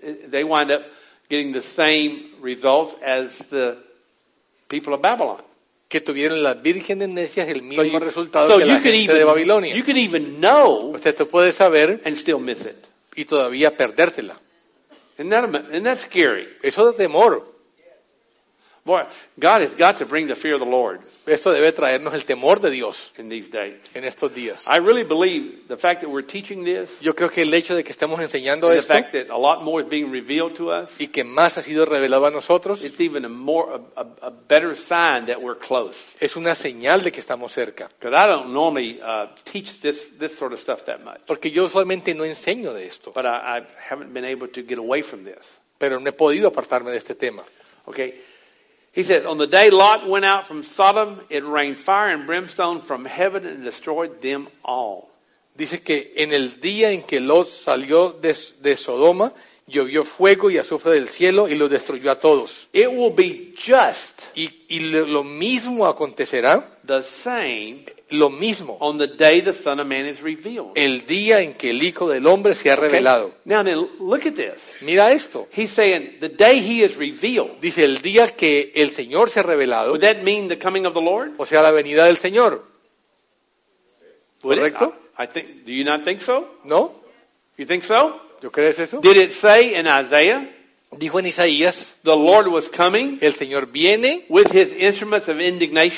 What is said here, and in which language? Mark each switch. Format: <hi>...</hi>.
<en>They wind up getting the same results as the people of Babylon.</en> <es>Que tuvieron las vírgenes necias el mismo resultado que la gente de Babilonia.</es> <en>You can even know.</en> <es>Usted te puede saber.</es> <en>And still miss it.</en> <es>Y todavía perdértela.</es> <en>Isn't that scary?</en> <es>Eso da temor.</es> <en>Boy, God has got to bring the fear of the Lord.</en> <es>Esto debe traernos el temor de Dios.</es> <en>In these days.</en> <es>En estos días.</es> <en>I really believe the fact that we're teaching this.</en> <es>Yo creo que el hecho de que estemos enseñando esto.</es> <en>The fact that a lot more is being revealed to us.</en> <es>Y que más ha sido revelado a nosotros.</es> <en>It's even a better sign that we're close.</en> <es>Es una señal de que estamos cerca.</es> <en>Because I don't normally teach this sort of stuff that much.</en> <es>Porque yo usualmente no enseño de esto.</es> <en>But I haven't been able to get away from this.</en> <es>Pero no he podido apartarme de este tema.</es> <en>Okay. He said, on the day Lot went out from Sodom, it rained fire and brimstone from heaven and destroyed them all.</en> <es>Dice que en el día en que Lot salió de Sodoma, llovió fuego y azufre del cielo y lo destruyó a todos.</es> <en>It will be just.</en> <es>Y lo mismo acontecerá.</es> <en>The same.</en> <es>Lo mismo.</es> <en>On the day the Son of Man is revealed.</en> <es>El día en que el Hijo del Hombre se ha revelado.</es> <en>Okay. Now then, look at this.</en> <es>Mira esto.</es> <en>He's saying the day he is revealed.</en> <es>Dice el día que el Señor se ha revelado.</es> <en>Would that mean the coming of the Lord?</en> <es>O sea, la venida del Señor.</es> <en>Would</en> <es>¿correcto?</es> <en>Do you not think so?</en> <es>No.</es> <en>You think so?</en> <es>¿Tú crees eso?</es> <en>Did it say in Isaiah?</en> <es>Dijo en Isaías,</es> <en>the Lord was coming,</en> <es>el Señor viene,</es> <en>with his instruments of indignation,</en>